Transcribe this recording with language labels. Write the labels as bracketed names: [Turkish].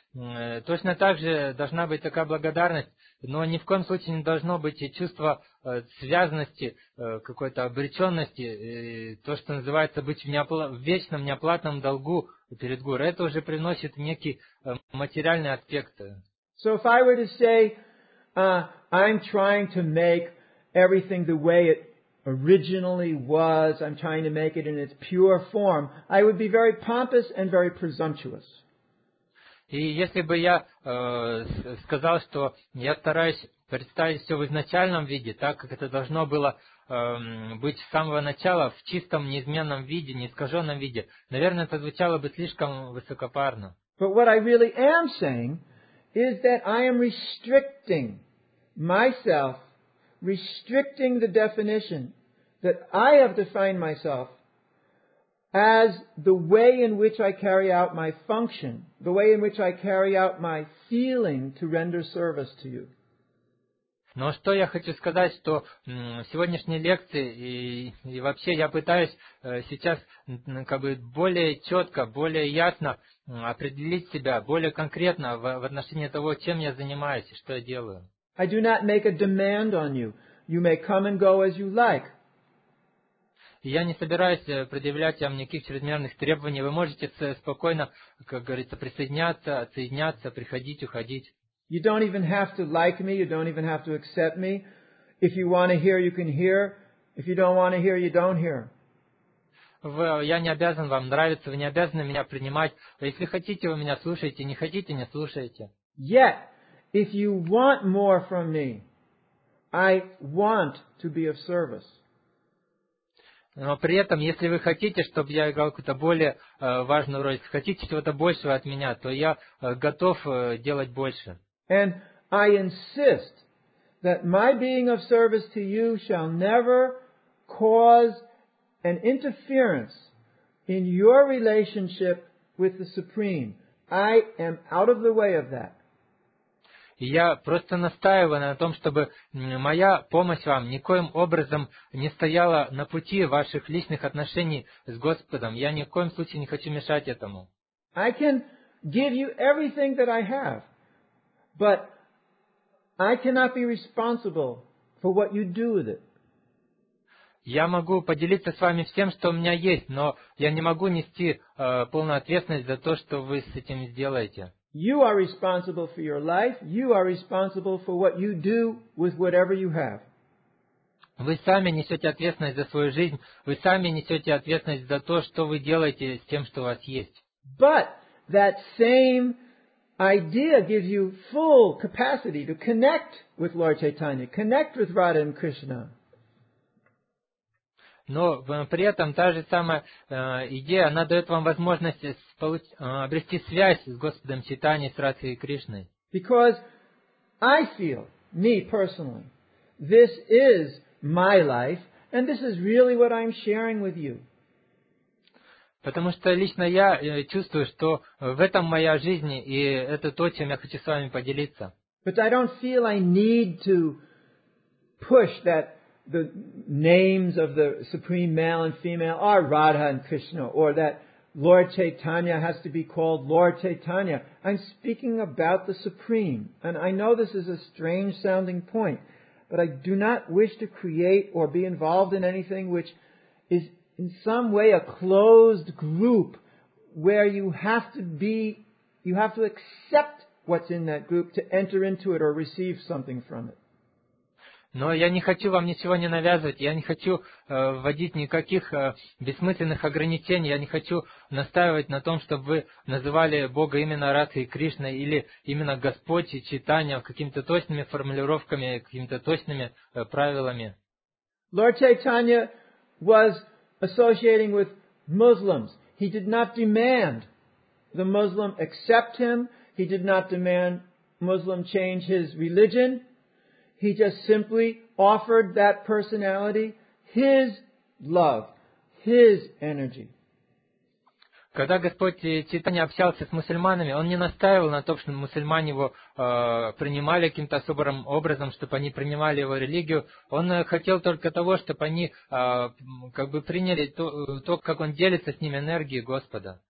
[Russian] Точно так же должна быть такая благодарность, но ни в коем случае не должно быть и чувство связанности, какой-то обреченности, то, что называется быть в вечном неоплатном долгу перед гуру. Это уже приносит некий материальный аспект. [English] So if I were to say, I'm trying to make everything the way it originally was. I'm trying to make it in its pure form. I would be very pompous and very presumptuous. [Russian] И если бы я сказал, что я стараюсь представить все в изначальном виде, так как это должно было быть с самого начала в чистом, неизменном виде, неискаженном виде, наверное, это звучало бы слишком высокопарно. [English] But what I really am saying is that I am restricting myself, restricting the definition that I have defined myself as the way in which I carry out my function, the way in which I carry out my feeling to render service to you. [Russian] Но что я хочу сказать, что в сегодняшней лекции и вообще я пытаюсь сейчас как бы более четко, более ясно определить себя, более конкретно в отношении того, чем я занимаюсь и что я делаю. [English] I do not make a demand on you. You may come and go as you like. [Russian] Я не собираюсь предъявлять вам никаких чрезмерных требований. Вы можете спокойно, как говорится, присоединяться, отсоединяться, приходить, уходить. [English] You don't even have to like me, you don't even have to accept me. If you want to hear, you can hear. If you don't want to hear, you don't hear. [Russian] Я не обязан вам нравиться, вы не обязаны меня принимать. Если хотите, вы меня слушаете, не хотите, не слушаете. [English] Yet, if you want more from me, I want to be of service. [Russian] Но при этом, если вы хотите, чтобы я играл какую-то более важную роль, хотите чего-то большего от меня, то я готов делать больше. [English] And I insist that my being of service to you shall never cause an interference in your relationship with the Supreme. I am out of the way of that. [Russian] Я просто настаиваю на том, чтобы моя помощь вам никоим образом не стояла на пути ваших личных отношений с Господом. Я ни в коем случае не хочу мешать этому. [English] I can give you everything that I have. But I cannot be responsible for what you do with it. [Russian] Я могу поделиться с вами всем, что у меня есть, но я не могу нести полную ответственность за то, что вы с этим сделаете. [English] You are responsible for your life. You are responsible for what you do with whatever you have. [Russian] Вы сами несете ответственность за свою жизнь. Вы сами несете ответственность за то, что вы делаете с тем, что у вас есть. [English] But that same idea gives you full capacity to connect with Lord Chaitanya, connect with Radha and Krishna. [Russian] Но при этом та же самая идея, она дает вам возможность обрести связь с Господом Чайтаньей, с Радхой Кришной. [English] Because I feel, me personally, this is my life, and this is really what I'm sharing with you. [Russian] Потому что лично я чувствую, что в этом моя жизнь, и это то, чем я хочу с вами поделиться. [English] But I don't feel I need to push that the names of the supreme male and female are Radha and Krishna, or that Lord Chaitanya has to be called Lord Chaitanya. I'm speaking about the supreme, and I know this is a strange sounding point, but I do not wish to create or be involved in anything which is in some way a closed group where you have to accept what's in that group to enter into it or receive something from it. [Russian] Но я не хочу вам ничего не навязывать, я не хочу вводить никаких бессмысленных ограничений, я не хочу настаивать на том, чтобы вы называли Бога именно Радхой Кришной или именно Господь и Чайтанья какими-то точными формулировками, какими-то точными правилами. [English] Lord Chaitanya was associating with Muslims. He did not demand the Muslim accept him. He did not demand Muslim change his religion. He just simply offered that personality his love, his energy. [Russian] Когда Господь Чайтанья общался с мусульманами, он не настаивал на том, чтобы мусульмане его принимали каким-то особым образом, чтобы они принимали его религию. Он хотел только того, чтобы они как бы приняли то, как он делится с ними энергией Господа.